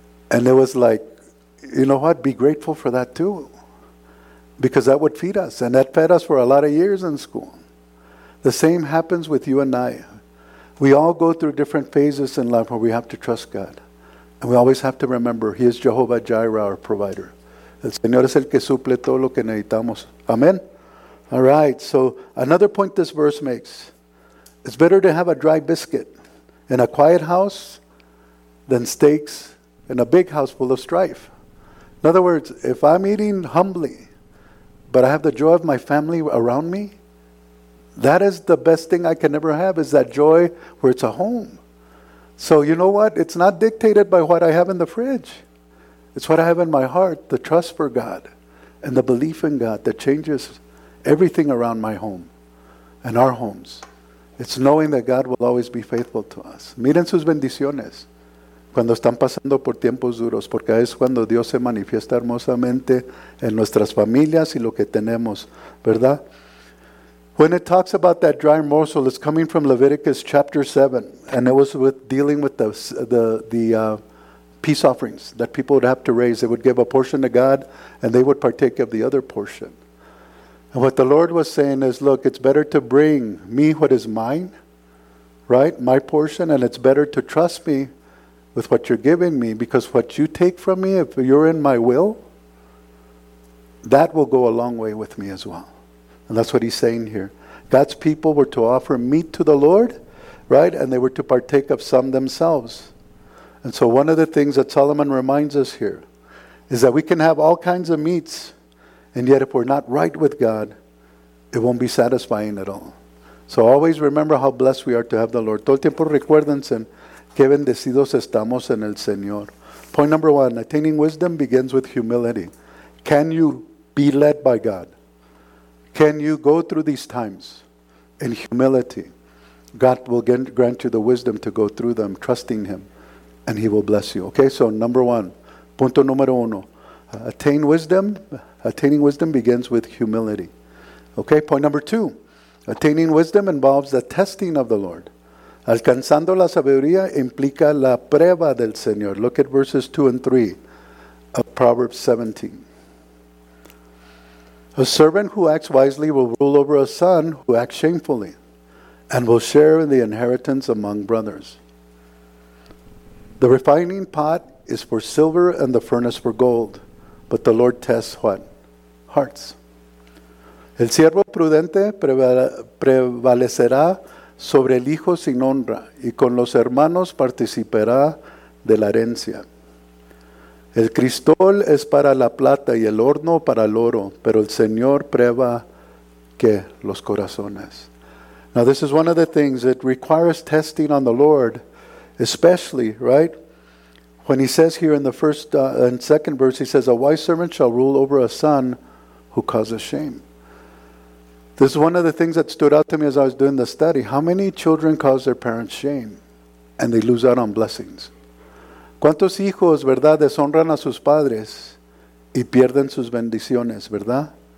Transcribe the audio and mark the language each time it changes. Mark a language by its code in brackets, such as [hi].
[en] And it was like, you know what? Be grateful for that too. Because that would feed us. And that fed us for a lot of years in school. The same happens with you and I. We all go through different phases in life where we have to trust God. And we always have to remember, he is Jehovah Jireh, our provider. [es] El Señor es el que suple todo lo que necesitamos. [en] Amen. All right, so another point this verse makes. It's better to have a dry biscuit in a quiet house than steaks in a big house full of strife. In other words, if I'm eating humbly, but I have the joy of my family around me, that is the best thing I can ever have, is that joy where it's a home. So you know what? It's not dictated by what I have in the fridge. It's what I have in my heart, the trust for God and the belief in God that changes everything around my home and our homes. It's knowing that God will always be faithful to us. [es] Miren sus bendiciones cuando están pasando por tiempos duros, porque es cuando Dios se manifiesta hermosamente en nuestras familias y lo que tenemos, ¿verdad? [en] When it talks about that dry morsel, it's coming from Leviticus chapter 7, and it was with dealing with peace offerings that people would have to raise. They would give a portion to God, and they would partake of the other portion. And what the Lord was saying is, look, it's better to bring me what is mine, right? My portion, and it's better to trust me with what you're giving me, because what you take from me, if you're in my will, that will go a long way with me as well. And that's what he's saying here. God's people were to offer meat to the Lord, right? And they were to partake of some themselves. And so one of the things that Solomon reminds us here is that we can have all kinds of meats, and yet if we're not right with God, it won't be satisfying at all. So always remember how blessed we are to have the Lord. [es] Todo el tiempo recuérdense que bendecidos estamos en el Señor. [en] Point number one, attaining wisdom begins with humility. Can you be led by God? Can you go through these times in humility? God will grant you the wisdom to go through them, trusting him. And he will bless you. Okay, so number one. [es] Punto número uno. [en] Attain wisdom. Attaining wisdom begins with humility. Okay, point number two. Attaining wisdom involves the testing of the Lord. [es] Alcanzando la sabiduría implica la prueba del Señor. [en] Look at verses 2 and 3. of Proverbs 17. A servant who acts wisely will rule over a son who acts shamefully, and will share in the inheritance among brothers. The refining pot is for silver and the furnace for gold, but the Lord tests what? Hearts. [es] El siervo prudente prevalecerá sobre el hijo sin honra, y con los hermanos participará de la herencia. El cristal es para la plata y el horno para el oro, pero el Señor prueba que los corazones. [en] Now this is one of the things that requires testing on the Lord, especially, right? When he says here in the first and second verse, he says, a wise servant shall rule over a son who causes shame. This is one of the things that stood out to me as I was doing the study. How many children cause their parents shame and they lose out on blessings? [es] ¿Cuántos hijos, verdad, deshonran a sus padres y pierden sus bendiciones, verdad?